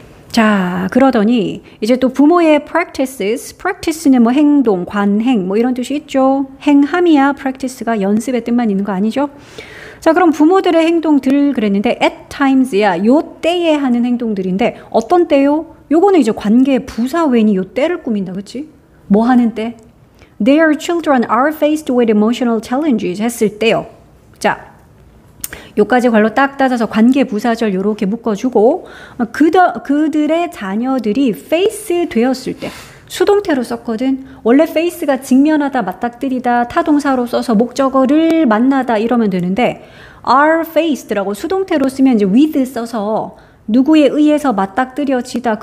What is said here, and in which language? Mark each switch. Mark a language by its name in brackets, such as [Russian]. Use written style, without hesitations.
[Korean] 자, 그러더니 이제 또 부모의 practices, practice는 뭐 행동, 관행 뭐 이런 뜻이 있죠. 행함이야, practice가 연습의 뜻만 있는 거 아니죠? 자, 그럼 부모들의 행동들 그랬는데 [English] at times [Korean] 야, 요 때에 하는 행동들인데 어떤 때요? 요거는 이제 관계 부사외니 요 때를 꾸민다, 그치? 뭐 하는 때? [English] Their children are faced with emotional challenges 했을 때요. [Korean] 자, 요까지 걸로 딱 따져서 관계 부사절 요렇게 묶어주고 그들의 자녀들이 face 되었을 때 수동태로 썼거든. 원래 face가 직면하다, 맞닥뜨리다, 타동사로 써서 목적어를 만나다 이러면 되는데 [English] are faced [Korean] 라고 수동태로 쓰면 이제 with 써서 누구에 의해서 맞닥뜨려지다.